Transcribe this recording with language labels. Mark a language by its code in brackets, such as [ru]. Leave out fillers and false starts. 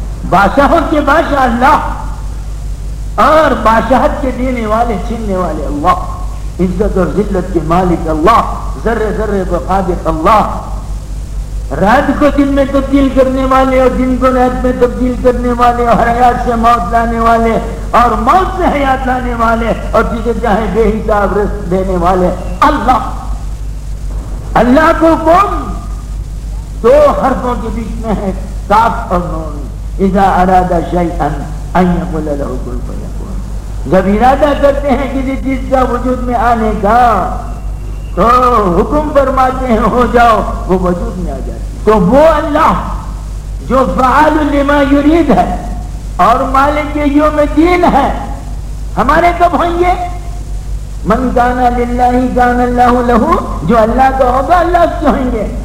[ur] بادشاہوں کے بادشاہ اللہ, اور بادشاہت کے دینے والے چھیننے والے اللہ, عزت اور ذلت کے مالک اللہ, ذرے ذرے کو خالق اللہ, رات کو دن میں تبدیل کرنے والے اور دن کو رات میں تبدیل کرنے والے, اور حیات سے موت لانے والے اور موت سے حیات لانے والے, اور جسے چاہیں بے حساب رزق دینے والے اللہ. اللہ کو کون دو حرفوں کے بیچ میں ہے, کاف اور نون. [ar] اذا اراد شيئا ان يقول له كن فيكون. [ur] جب ارادہ کرتے ہیں کسی چیز کا وجود میں آنے کا تو حکم فرماتے ہیں ہو جاؤ, وہ وجود میں آ جاتی. تو وہ اللہ جو فعال لما یرید ہے اور مالک یوم الدین ہے, ہمارے کب ہوں گے؟ [ar] من کان للہ کان اللہ لہ, [ur] جو اللہ کا ہوگا اللہ سے ہوں گے.